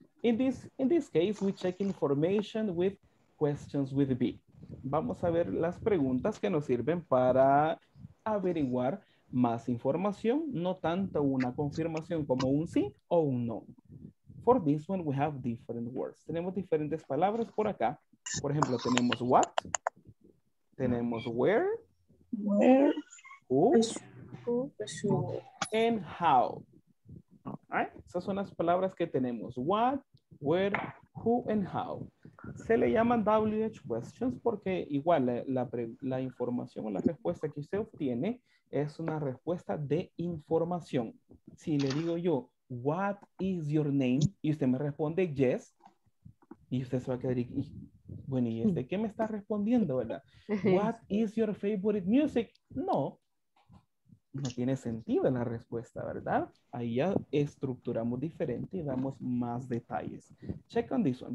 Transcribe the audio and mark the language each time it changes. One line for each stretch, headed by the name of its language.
English: In this case, we check information with questions with be.
Spanish: Vamos a ver las preguntas que nos sirven para averiguar más información, no tanto una confirmación como un sí o un no.
English: For this one, we have different words.
Spanish: Tenemos diferentes palabras por acá. Por ejemplo, tenemos what, tenemos where
English: who,
Spanish: and how.
English: Right?
Spanish: Esas son las palabras que tenemos.
English: What, where, who, and how.
Spanish: Se le llaman WH questions porque igual la información o la respuesta que usted obtiene es una respuesta de información. Si le digo yo,
English: what is your name?
Spanish: Y usted me responde, yes. Y usted se va a quedar aquí. Bueno, ¿y este qué me está respondiendo, verdad?
English: What is your favorite music?
Spanish: No. No tiene sentido la respuesta, ¿verdad? Ahí ya estructuramos diferente y damos más detalles.
English: Check on this one.